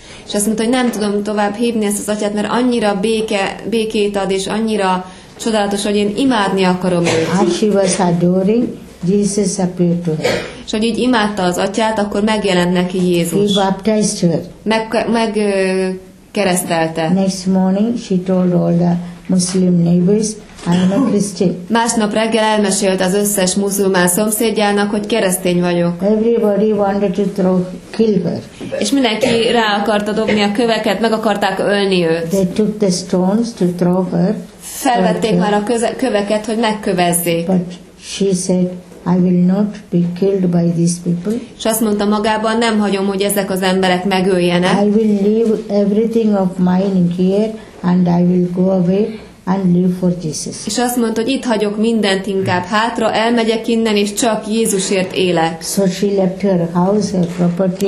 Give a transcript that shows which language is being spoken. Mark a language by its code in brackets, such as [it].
[hu] És azt mondta, hogy nem tudom tovább hívni ezt az atyát, mert annyira békét ad, és annyira csodálatos, hogy én imádni akarom őt. [en] As she was adoring, Jesus appeared to her. [hu] És hogy így imádta az atyát, akkor megjelent neki Jézus. [en] He baptized her. [hu] Megkeresztelte. [en] Next morning, she told all the Muslim neighbors, I'm a Christian. [hu] Másnap reggel elmesélt az összes muzulmán szomszédjának, hogy keresztény vagyok. [en] Everybody wanted to throw kill her. [hu] És mindenki rá akarta dobni a köveket, meg akarták ölni őt. [en] They took the stones to throw her. [hu] Felvették her. Már a köveket, hogy megkövezzék. [en] But she said, I will not be killed by these people. [hu] És azt mondta magában, nem hagyom, hogy ezek az emberek megöljenek. [en] I will leave everything of mine here and I will go away. And live for Jesus. [hu] És azt mondta, hogy itt hagyok mindent inkább hátra, elmegyek innen, és csak Jézusért élek. [en] So she left her house, her property.